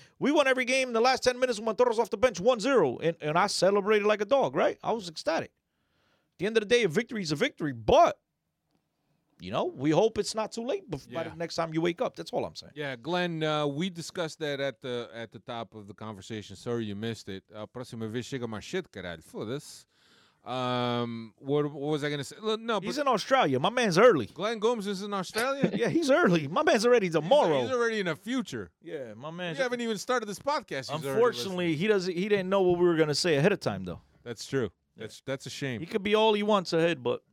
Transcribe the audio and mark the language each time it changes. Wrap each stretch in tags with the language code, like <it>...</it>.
<en>We won every game in the last 10 minutes when Montoro's off the bench 1-0, and I celebrated like a dog, right? I was ecstatic. At the end of the day, a victory is a victory, but, you know, we hope it's not too late by the next time you wake up. That's all I'm saying. Yeah, Glenn, we discussed that at the top of the conversation. Sorry you missed it.</en> <pt>Próxima vez chega mais cedo, caralho, foda-se.</pt> <en>What was I gonna say? No, he's in Australia. My man's early. Glenn Gomes is in Australia. Yeah, he's early. My man's already tomorrow. He's already in the future. Yeah, my man. You haven't even started this podcast. Unfortunately, he didn't know what we were gonna say ahead of time, though. That's true. That's a shame. He could be all he wants ahead, but</en>